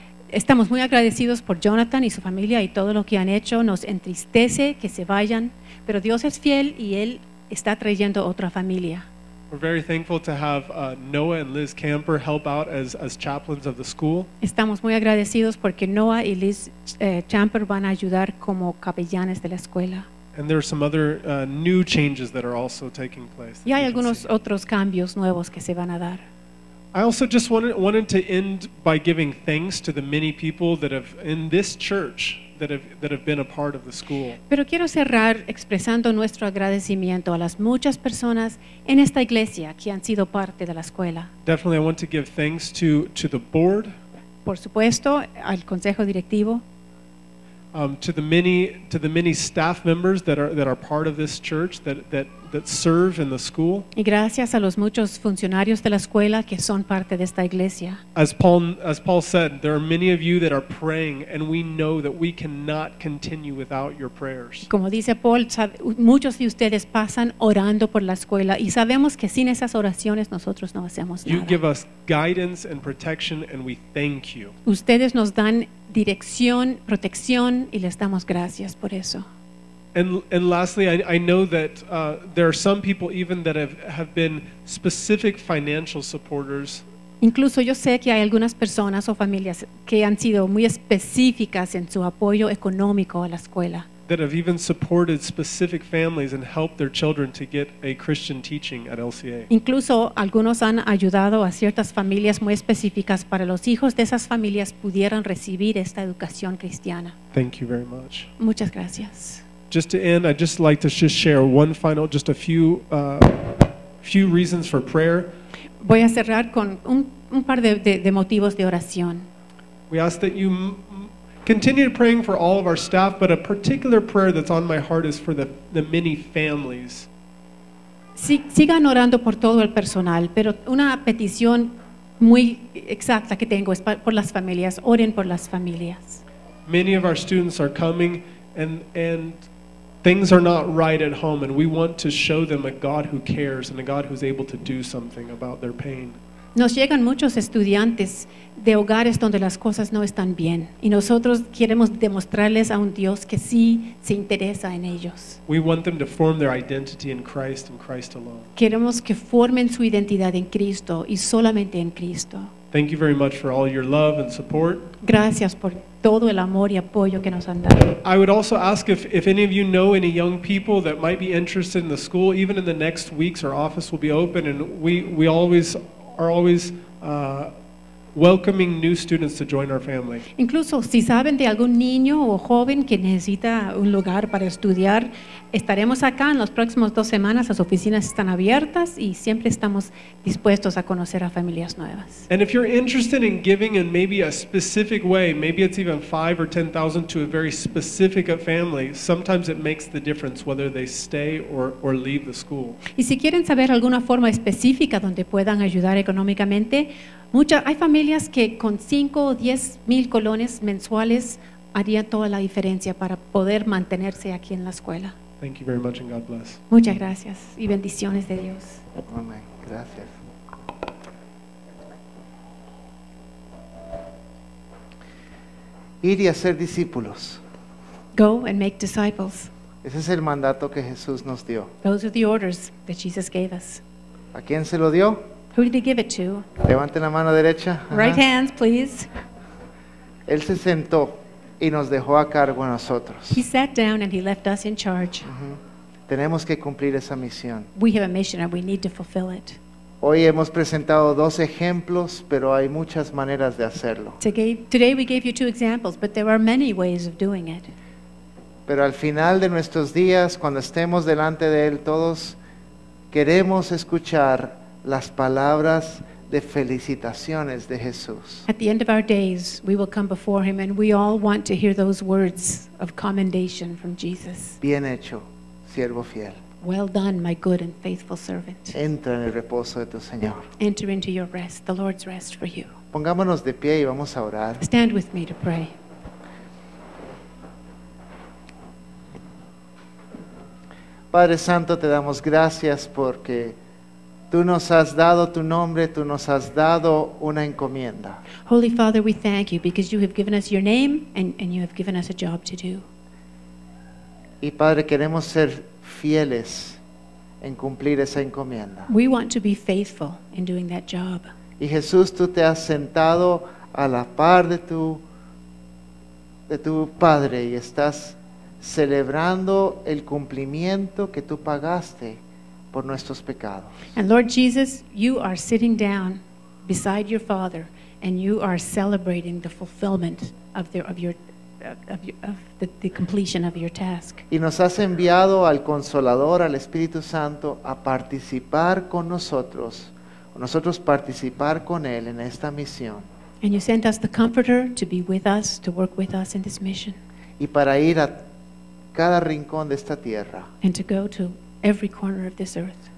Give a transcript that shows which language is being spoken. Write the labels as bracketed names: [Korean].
[Spanish] Estamos muy agradecidos por Jonathan y su familia y todo lo que han hecho. Nos entristece que se vayan, pero Dios es fiel y Él está trayendo otra familia. [English] We're very thankful to have Noah and Liz Camper help out as chaplains of the school. [Spanish] Estamos muy agradecidos porque Noah y Liz Camper van a ayudar como capellanes de la escuela. [English] And there are some other new changes that are also taking place. [Spanish] Y hay algunos otros cambios nuevos que se van a dar. [English] I also just wanted to end by giving thanks to the many people that have in this church that have been a part of the school. [Spanish] Pero quiero cerrar expresando nuestro agradecimiento a las muchas personas en esta iglesia que han sido parte de la escuela. [English] Definitely, I want to give thanks to the board. [Spanish] Por supuesto, al consejo directivo. [English] To the many staff members that are part of this church that serve in the school. [Spanish] Y gracias a los muchos funcionarios de la escuela que son parte de esta iglesia. [English] As Paul said, there are many of you that are praying, and we know that we cannot continue without your prayers. [Spanish] Como dice Paul, muchos de ustedes pasan orando por la escuela, y sabemos que sin esas oraciones nosotros no hacemos nada. [English] You give us guidance and protection, and we thank you. [Spanish] Ustedes nos dan dirección, protección, y les damos gracias por eso. [English] And lastly, I know that there are some people even that have been specific financial supporters. [Spanish] Incluso yo sé que hay algunas personas o familias que han sido muy específicas en su apoyo económico a la escuela. [English] That have even supported specific families and helped their children to get a Christian teaching at LCA. [Spanish] Incluso algunos han ayudado a ciertas familias muy específicas para los hijos de esas familias pudieran recibir esta educación cristiana. [English] Thank you very much. [Spanish] Muchas gracias. [English] Just to end, I'd just like to just share one final, just a few few reasons for prayer. [Spanish] Voy a cerrar con un par de motivos de oración. [English] We ask that you continue praying for all of our staff, but a particular prayer that's on my heart is for the many families. [Spanish] Sigan orando por todo el personal, pero una petición muy exacta que tengo es por las familias. Oren por las familias. [English] Many of our students are coming and things are not right at home, and we want to show them a God who cares and a God who's able to do something about their pain. [Spanish] Nos llegan muchos estudiantes de hogares donde las cosas no están bien, y nosotros queremos demostrarles a un Dios que sí se interesa en ellos. [English] We want them to form their identity in Christ and Christ alone. [Spanish] Queremos que formen su identidad en Cristo y solamente en Cristo. [English] Thank you very much for all your love and support. [Spanish] Gracias por todo el amor y apoyo que nos han dado. [English] I would also ask if any of you know any young people that might be interested in the school, even in the next weeks, our office will be open, and we always are always welcoming new students to join our family. [Spanish] Incluso si saben de algún niño o joven que necesita un lugar para estudiar, estaremos acá en las próximas 2 semanas. Las oficinas están abiertas y siempre estamos dispuestos a conocer a familias nuevas. [English] And if you're interested in giving in maybe a specific way, maybe it's even $5,000 or $10,000 to a very specific family, sometimes it makes the difference whether they stay or leave the school. [Spanish] Y si quieren saber alguna forma específica donde puedan ayudar económicamente, hay familias que con 5,000 o 10,000 colones mensuales harían toda la diferencia para poder mantenerse aquí en la escuela. [English] Thank you very much, and God bless. [Spanish] Muchas gracias y bendiciones de Dios. Amén. Gracias. Ir y hacer discípulos. [English] Go and make disciples. [Spanish] Ese es el mandato que Jesús nos dio. [English] Those are the orders that Jesus gave us. [Spanish] ¿A quién se lo dio? [English] Who did he give it to? [Spanish] Levanten la mano derecha. [English] Right hands, please. [Spanish] Él se sentó y nos dejó a cargo a nosotros. [English] He sat down and he left us in charge. [Spanish] Tenemos que cumplir esa misión. [English] We have a mission and we need to fulfill it. [Spanish] Hoy hemos presentado 2 ejemplos, pero hay muchas maneras de hacerlo. [English] Today we gave you 2 examples, but there are many ways of doing it. [Spanish] Pero al final de nuestros días, cuando estemos delante de él todos, queremos escuchar las palabras de felicitaciones de Jesús. [English] At the end of our days, we will come before him, and we all want to hear those words of commendation from Jesus. [Spanish] Bien hecho, siervo fiel. [English] Well done, my good and faithful servant. [Spanish] Entra en el reposo de tu Señor. [English] Enter into your rest, the Lord's rest for you. [Spanish] Pongámonos de pie y vamos a orar. [English] Stand with me to pray. [Spanish] Padre Santo, te damos gracias porque tú nos has dado tu nombre, tú nos has dado una encomienda. [English] Holy Father, we thank you because you have given us your name and you have given us a job to do. [Spanish] Y Padre, queremos ser fieles en cumplir esa encomienda. [English] We want to be faithful in doing that job. [Spanish] Y Jesús, tú te has sentado a la par de tu Padre y estás celebrando el cumplimiento que tú pagaste por nuestros pecados. [English] And Lord Jesus, you are sitting down beside your Father and you are celebrating the fulfillment of the completion of your task. [Spanish] Y nos has enviado al Consolador, al Espíritu Santo, a participar con nosotros, nosotros participar con Él en esta misión. [English] And you sent us the Comforter to be with us, to work with us in this mission. [Spanish] Y para ir a cada rincón de esta tierra. [English] And to go to every corner of this earth.